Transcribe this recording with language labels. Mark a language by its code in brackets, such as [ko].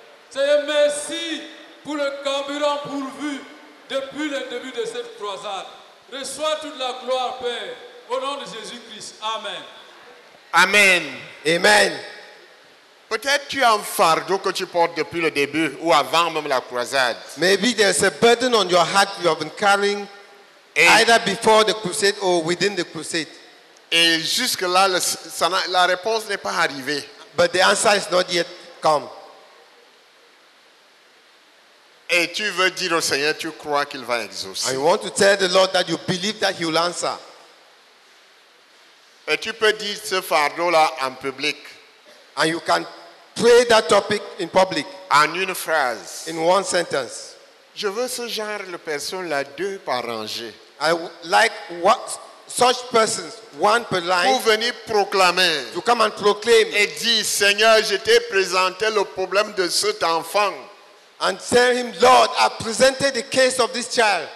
[fr] Seigneur, merci pour le carburant pourvu depuis le début de cette croisade. Reçois toute la gloire, Père. Au nom de Jésus-Christ. Amen. Amen. Amen. Peut-être tu as un fardeau que tu portes depuis le début ou avant même la croisade. [en] Maybe there's a burden on your heart you have been carrying either before the crusade or within the crusade. [fr] Et jusque là, la réponse n'est pas arrivée. [en] But the answer is not yet come. [fr] Et tu veux dire au Seigneur, tu crois qu'il va exaucer. [en] I want to tell the Lord that you believe that he will answer. [fr] Et tu peux dire ce fardeau-là en public. [en] And you can pray that topic in public. [fr] En une phrase. [en] In one sentence. [fr] Je veux ce genre de personnes-là, deux par rangée. [en] I like what such persons, one per line. [fr] Pour venir proclamer. [en] To come and proclaim. [fr] Et dire, Seigneur, je t'ai présenté le problème de cet enfant. [en] And tell him, Lord, I presented the case of this child.